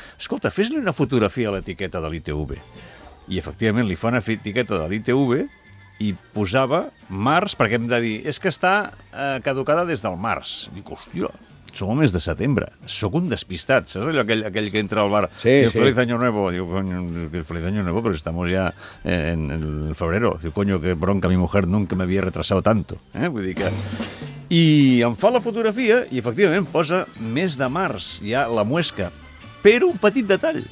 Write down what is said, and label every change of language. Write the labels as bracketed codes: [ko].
[ca] Escolta, fes-li una fotografia a l'etiqueta de l'ITV. I efectivament, li fa una etiqueta de l'ITV... i posava març, perquè hem de dir, és que està caducada des del març. Dic, hòstia, som al mes de setembre, sóc un despistat, saps allò, aquell que entra al bar? Sí, sí. [es] Feliz Año Nuevo. Diu, coño, Feliz Año Nuevo, pero estamos ya en el febrero. Diu, coño, qué bronca, mi mujer nunca me había retrasado tanto. [ca] Vull dir que... I em fa la fotografia i, efectivament, posa mes de març, ja la muesca, però un petit detall.